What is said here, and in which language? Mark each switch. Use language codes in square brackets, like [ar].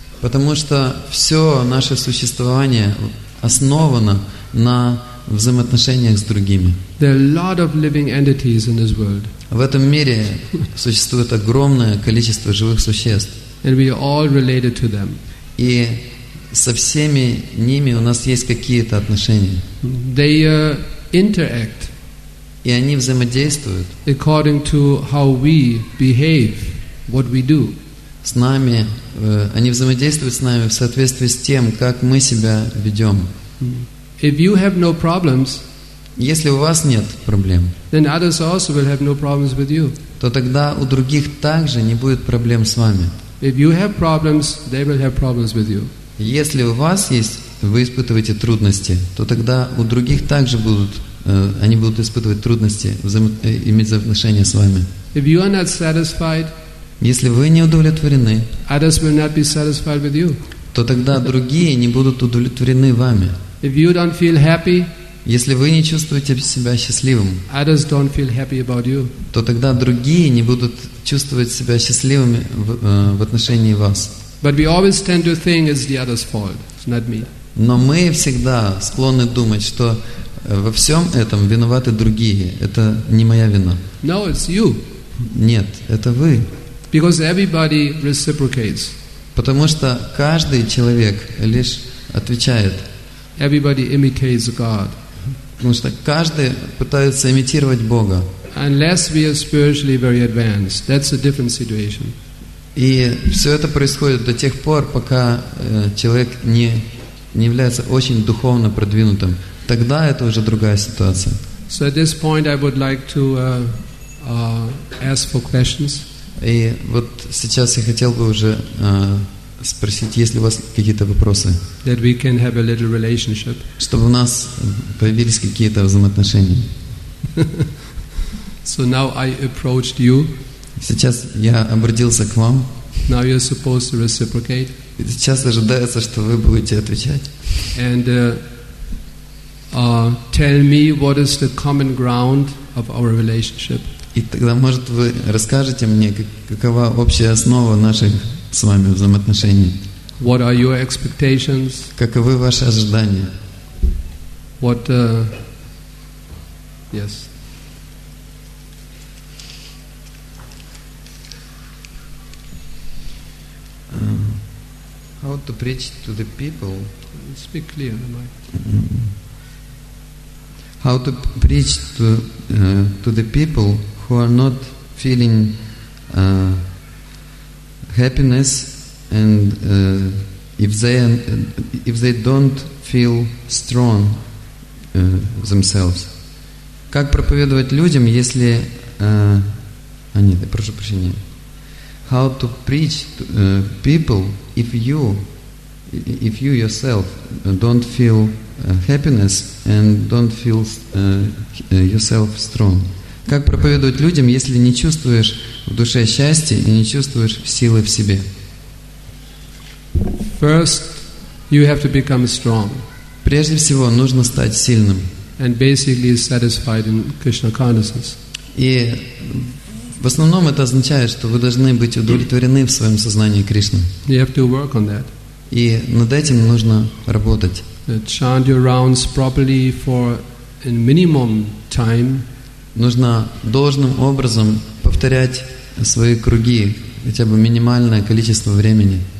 [ru] Потому что все наше существование основано на взаимоотношениях с другими. [en] There are a lot of living entities in this world. [ru] В этом мире существует огромное количество живых существ. [en] And we are all related to them. [ru] И со всеми ними у нас есть какие-то отношения. [en] They interact. [ru] И они взаимодействуют. [en] According to how we behave, what we do. [ru] С нами, они взаимодействуют с нами в соответствии с тем, как мы себя ведем. [en] If you have no problems, [ru] если у вас нет проблем, [en] then others also will have no problems with you. [ru] То тогда у других также не будет проблем с вами. [en] If you have problems, they will have problems with you. [ru] Если у вас есть, вы испытываете трудности, то тогда у других также будут, они будут испытывать трудности иметь взаимоотношения с вами. [en] If you are not satisfied, [ru] если вы не удовлетворены, [en] others will not be satisfied with you. [ru] То тогда другие не будут удовлетворены вами. [en] If you don't feel happy, [ru] если вы не чувствуете себя счастливым, [en] others don't feel happy about you. [ru] То тогда другие не будут чувствовать себя счастливыми в отношении вас. [en] But we always tend to think it's the other's fault, it's not me. [ru] Но мы всегда склонны думать, что во всем этом виноваты другие, это не моя вина. [en] No, it's you. [ru] Нет, это вы. [en] Because everybody reciprocates. [ru] Потому что каждый человек лишь отвечает. [en] Everybody imitates God. [ru] Потому что каждый пытается имитировать Бога. [en] Unless we are spiritually very advanced, that's a different situation. [ru] И все это происходит до тех пор, пока человек не является очень духовно продвинутым. Тогда это уже другая ситуация. [en] So at this point, I would like to ask for questions. [ru] И вот сейчас я хотел бы уже спросить, есть ли у вас какие-то вопросы, [en] that we can have a little relationship. [ru] Чтобы у нас появились какие-то взаимоотношения. [en] So now I approached you. [ru] Сейчас я обратился к вам. [en] Now you're supposed to reciprocate. [ru] И сейчас ожидается, что вы будете отвечать. [en] And tell me what is the common ground of our relationship. [ru] И тогда, может, вы расскажете мне, какова общая основа наших с вами взаимоотношений? [en] What are your expectations? [ru] Каковы ваши ожидания? [en] What, yes. How to preach to the people? Speak clear, am I? How to preach to the people who are not feeling happiness, and if they don't feel strong themselves? [ru] Как проповедовать людям, если нет, я прошу прощения. [en] How to preach to people if you if you yourself don't feel happiness and don't feel yourself strong. [ru] Как проповедовать людям, если не чувствуешь в душе счастья и не чувствуешь силы в себе? [en] First, you have to become strong. [ru] Прежде всего, нужно стать сильным. [en] And basically satisfied in Krishna consciousness. [ru] И в основном это означает, что вы должны быть удовлетворены в своем сознании Кришны. [en] You have to work on that. [ru] И над этим нужно работать. [en] Chant your rounds properly for a minimum time. [ru] Нужно должным образом повторять свои круги хотя бы минимальное количество времени.